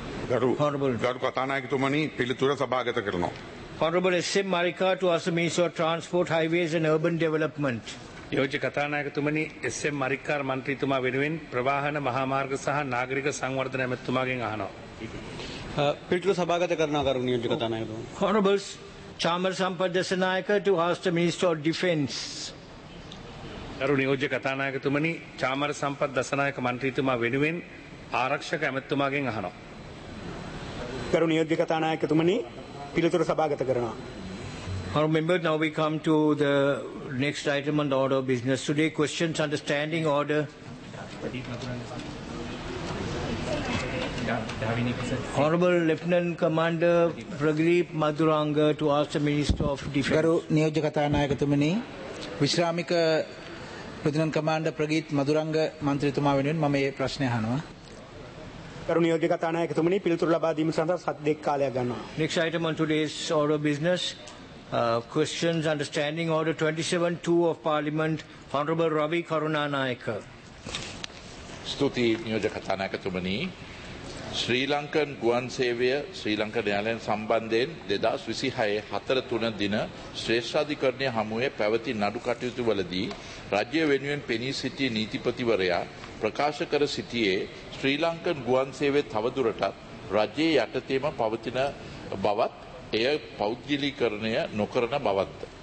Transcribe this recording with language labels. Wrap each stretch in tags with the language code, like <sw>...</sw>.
<si>ගරු කථානායකතුමනි පිළිතුර සභාගත කරනවා.</si> <en>Honorable SM Marika to ask the Minister of Transport, Highways and Urban Development.</en> <si>යෝජ්‍ය කථානායකතුමනි SM Marika මන්ත්‍රීතුමා වෙනුවෙන් ප්‍රවාහන මහාමාර්ග සහ නාගරික සංවර්ධන ඇමතිතුමාගෙන් අහනවා. පිළිතුර සභාගත කරනවා ගරු නියෝජ්‍ය කථානායකතුමනි.</si> <en>Honorable Chamar Sampardasanayaka to ask the Minister of Defence.</en> <si>ගරු නියෝජ්‍ය කථානායකතුමනි චාමර සම්පත්දසනායක මන්ත්‍රීතුමා වෙනුවෙන් ආරක්ෂක ඇමතිතුමාගෙන් අහනවා. ගරු නියෝජ්‍ය කථානායකතුමනි පිළිතුර සභාගත කරනවා.</si> <en>Honorable members, now we come to the next item on the order of business today, questions understanding order. Honorable Lieutenant Commander Pragreep Maduranga to ask the Minister of Defence.</en> <si>ගරු නියෝජ්‍ය කථානායකතුමනි විශ්‍රාමික ලෙප්ටනන්ට් කමාන්ඩර් ප්‍රගීත් මදුරංග මන්ත්‍රීතුමා වෙනුවෙන් මම මේ ප්‍රශ්නය අහනවා. ගරු නියෝජ්‍ය කථානායකතුමනි පිළිතුරු ලබා දීම සඳහා සත් දෙක කාලයක් ගන්නවා.</si> <en>Next item on today's order of business, questions understanding order 27-2 of parliament, Honorable Ravi Karunanayaka.</en> <si>ස්තුති නියෝජක කතානායකතුමනි. ශ්‍රී ලංකන් ගුවන් සේවය ශ්‍රී ලංකා න්‍යායාලයෙන් සම්බන්ධයෙන් 2026 4/3 දින ශ්‍රේෂ්ඨාධිකරණයේ හමුවේ පැවති නඩු කටයුතු වලදී රජය වෙනුවෙන් පෙනී සිටි නීතිපතිවරයා ප්‍රකාශ කර සිටියේ ශ්‍රී ලංකන් ගුවන් සේවය තවදුරටත් රජයේ යටතේම පවතින බවත් එය පෞද්ගලීකරණය නොකරන බවත්.</si>